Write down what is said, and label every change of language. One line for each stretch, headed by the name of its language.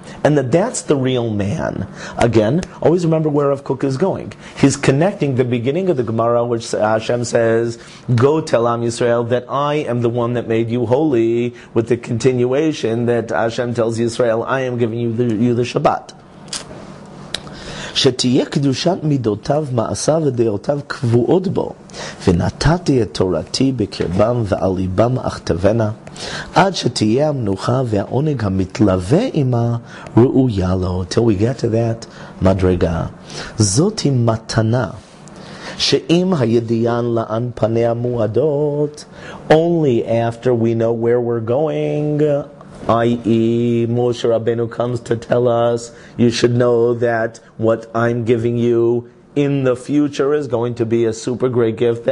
English: and that that's the real man. Again, always remember where Rav Kook is going. He's connecting the beginning of the Gemara, which Hashem says, go tell Am Yisrael that I am the one that made you holy, with the continuation that Hashem tells Yisrael, I am giving you the Shabbat.
Hebrew: שתהיה קדושת מידותיו, מעשיו ודעותיו קבועות בו, ונתתי את תורתי בקרבם ועל ליבם אכתבנה, עד שתהיה המנוחה והעונג המתלווה עמה ראויה לו.
English: Till we get to that מדרגה.
Hebrew: זאת היא מתנה, שאם הידיען לאן פניה מועדות,
English: only after we know where we're going, i.e. Moshe Rabbeinu comes to tell us, you should know that what I'm giving you in the future is going to be a super great gift.